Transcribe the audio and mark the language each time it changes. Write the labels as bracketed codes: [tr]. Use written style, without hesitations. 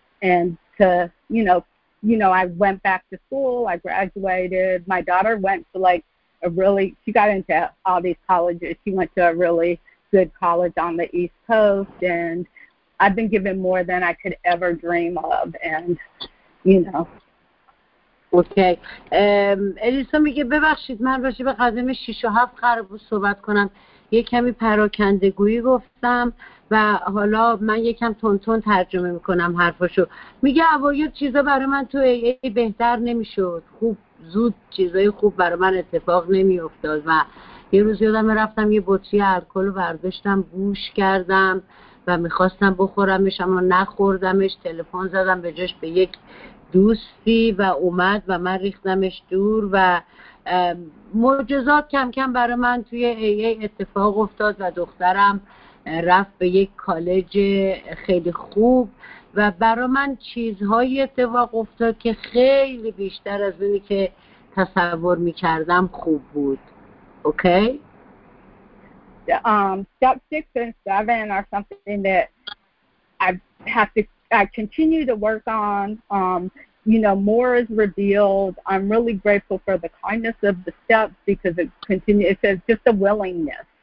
[en] And to, you know, I went back to school. I graduated. My daughter went to, like, she got into all these colleges. She went to a really good college on the East Coast, and I've been given more than I could ever dream of, and, you know. Okay. [fa] الیسا میگه ببخشید من باشی به قدم 6 و 7 قرار بود صحبت کنم. یه کمی پراکندگویی گفتم و حالا من یکم تونتون ترجمه میکنم حرفاشو. میگه اوایل چیزا برای من تو ای بهتر نمیشد. خوب. زود چیزای خوب برای من اتفاق نمی افتاد و یه روز یادم رفتم یه بطری الکل برداشتم بوش کردم و میخواستم بخورمش اما نخوردمش تلفن زدم به جاش به یک دوستی و اومد و من ریختمش دور و معجزات کم کم برای من توی ایه اتفاق افتاد و دخترم رفت به یک کالج خیلی خوب و برای من چیزهایی اتفاق افتاد که خیلی بیشتر از اونی که تصور می‌کردم خوب بود. [en] Okay? Step 6 and 7 are something that I continue to work on. You know, more is revealed. I'm really grateful for the kindness of the steps because it says just a willingness.